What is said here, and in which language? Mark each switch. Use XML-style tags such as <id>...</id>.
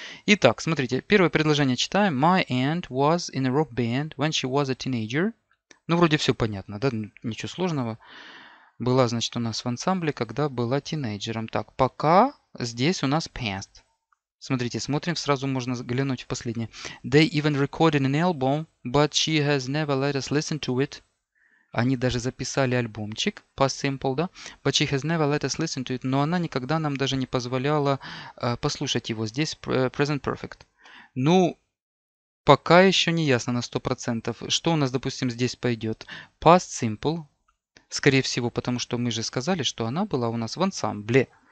<ru>Итак, смотрите, первое предложение читаем.</ru> <en>My aunt was in a rock band when she was a teenager.</en> <ru>Ну, вроде все понятно, да, ничего сложного. Была, значит, у нас в ансамбле, когда была тинейджером. Так, пока здесь у нас past. Смотрите, смотрим, сразу можно взглянуть в последнее.</ru> <en>They even recorded an album, but she has never let us listen to it.</en> <ru>Они даже записали альбомчик, past simple, да?</ru> <en>But she has never let us listen to it.</en> <ru>Но она никогда нам даже не позволяла послушать его. Здесь present perfect. Ну, пока еще не ясно на 100%. Что у нас, допустим, здесь пойдет?</ru> <en>Past simple.</en> <ru>Скорее всего, потому что мы же сказали, что она была у нас в ансамбле.</ru>